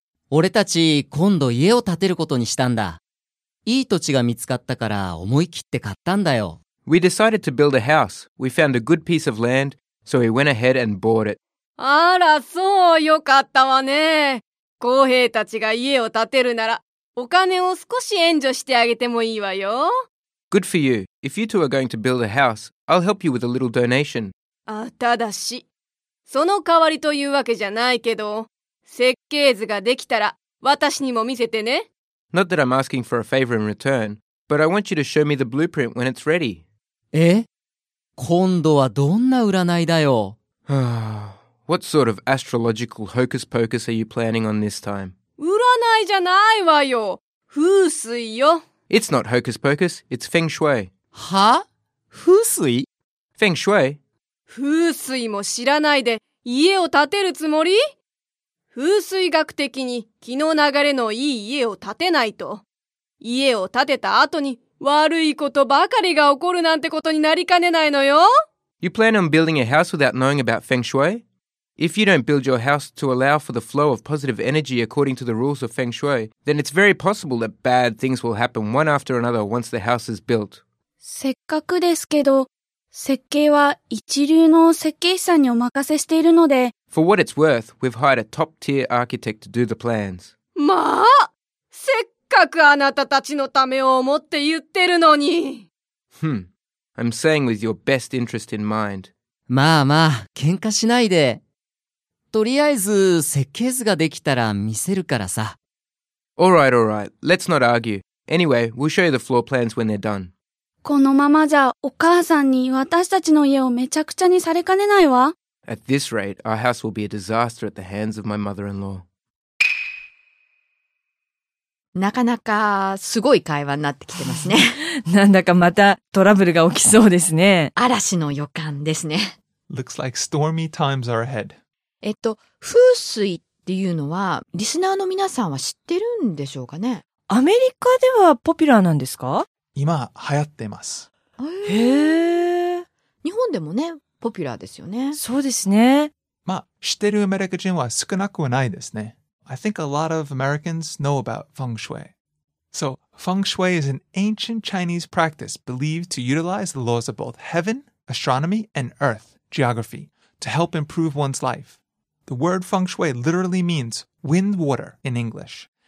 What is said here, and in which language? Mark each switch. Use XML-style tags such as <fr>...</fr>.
<ja>俺たち今度家を建てることにしたんだ。いい土地が見つかったから思い切って買ったんだよ。</ja> <en>We decided to build a house. We found a good piece of land, so we went ahead and bought it.</en> <ja>あら、そう、よかったわね。浩平たちが家を建てるなら、お金を少し援助してあげてもいいわよ。</ja> <en>Good for you. If you two are going to build a house, I'll help you with a little donation.</en> <ja>あ、ただし。その代わりというわけじゃないけど、設計図ができたら私にも見せてね。</ja> <en>Not that I'm asking for a favor in return, but I want you to show me the blueprint when it's ready.</en> <ja>え？今度はどんな占いだよ。</ja> <en>What sort of astrological hocus pocus are you planning on this time?</en> <ja>占いじゃないわよ。風水よ。</ja> <en>It's not hocus pocus, it's feng shui.</en> <ja>は？風水？</ja> <en>Feng shui?</en> <ja>風水も知らないで家を建てるつもり？風水学的に気の流れのいい家を建てないと。家を建てた後に悪いことばかりが起こるなんてことになりかねないのよ。</ja> <en>You plan on building a house without knowing about feng shui? If you don't build your house to allow for the flow of positive energy according to the rules of feng shui, then it's very possible that bad things will happen one after another once the house is built.</en> <ja>せっかくですけど、設計は一流の設計士さんにお任せしているので。</ja> <en>For what it's worth, we've hired a top-tier architect to do the plans.</en> <ja>まあ、せっかくあなたたちのためを思って言ってるのに。</ja> <en>I'm saying with your best interest in mind.</en> <ja>まあまあ、喧嘩しないで。とりあえず設計図ができたら見せるからさ。</ja> <en>Alright, alright. Let's not argue. Anyway, we'll show you the floor plans when they're done.</en> <ja>このままじゃお母さんに私たちの家をめちゃくちゃにされかねないわ。</ja> <en>At this rate, our house will be a disaster at the hands of my mother-in-law.</en> <ja>なかなかすごい会話になってきてますね。なんだかまたトラブルが起きそうですね。嵐の予感ですね。</ja> <en>Looks like stormy times are ahead.</en> <ja>風水っていうのはリスナーの皆さんは知ってるんでしょうかね。アメリカではポピュラーなんですか。今流行ってます。へー。日本でもね、ポピュラーですよね。そうですね。まあ、知ってるアメリカ人は少なくはないですね。</ja> <en>I think a lot of Americans know about feng shui. So, feng shui is an ancient Chinese practice believed to utilize the laws of both heaven, astronomy, and earth, geography, to help improve one's life. The word feng shui literally means wind water in English.</en>